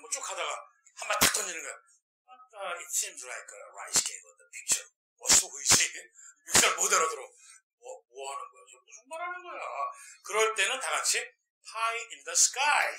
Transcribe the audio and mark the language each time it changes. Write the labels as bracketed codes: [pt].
[ko] 뭐, 쭉 하다가 한 마디 탁 던지는 거야. [en] It seems like a rice cake on the picture. [ko] 멋있어 보이지? 육상 못 알아들어. 뭐 하는 거야? 저 무슨 말 하는 거야? 그럴 때는 다 같이 [en] pie in the sky.